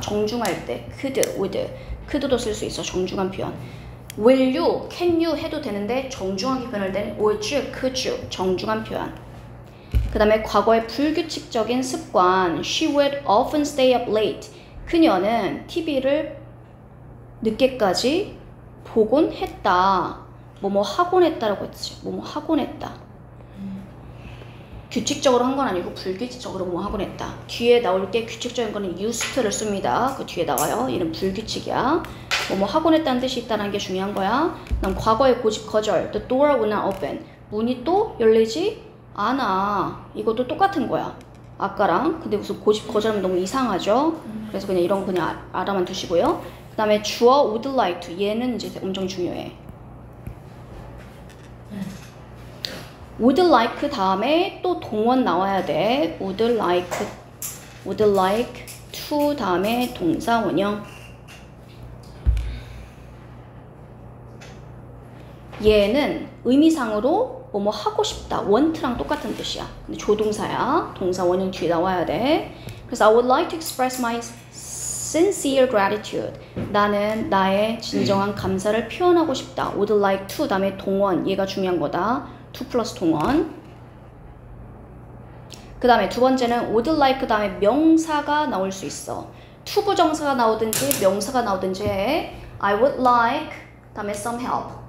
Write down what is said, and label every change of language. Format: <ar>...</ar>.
<ko>정중할 때 could, would, could도 쓸 수 있어. 정중한 표현. Will you, can you 해도 되는데 정중하게 변할 때는 would you, could you, 정중한 표현. 그 다음에 과거의 불규칙적인 습관.</ko> <en>She would often stay up late.</en> <ko>그녀는 TV를 늦게까지 보곤 했다. 뭐뭐 하곤 했다라고 했지. 뭐뭐 하곤 했다. 규칙적으로 한 건 아니고 불규칙적으로 뭐 하곤 했다. 뒤에 나올 게 규칙적인 거는 used를 씁니다. 그 뒤에 나와요. 얘는 불규칙이야. 뭐뭐 하곤 했다는 뜻이 있다는 게 중요한 거야. 난 과거의 고집 거절.</ko> <en>The door would not open.</en> <ko>문이 또 열리지 않아. 이것도 똑같은 거야. 아까랑. 근데 무슨 고집 거절하면 너무 이상하죠. 그래서 그냥 이런 거 그냥 알아만 두시고요. 그 다음에 주어 would like to. 얘는 이제 엄청 중요해. Would like 다음에 또 동원 나와야 돼. Would like, would like to 다음에 동사 원형. 얘는 의미상으로 뭐뭐 하고 싶다. want랑 똑같은 뜻이야. 근데 조동사야. 동사 원형 뒤에 나와야 돼. 그래서</ko> <en>I would like to express my sincere gratitude.</en> <ko>나는 나의 진정한 감사를 표현하고 싶다. Would like to 다음에 동원. 얘가 중요한 거다. 2 플러스 동원. 그 다음에 두 번째는 would like 그 다음에 명사가 나올 수 있어. 투부정사가 나오든지 명사가 나오든지 해.</ko> <en>I would like</en> <ko>다음에</ko> <en>some help.</en>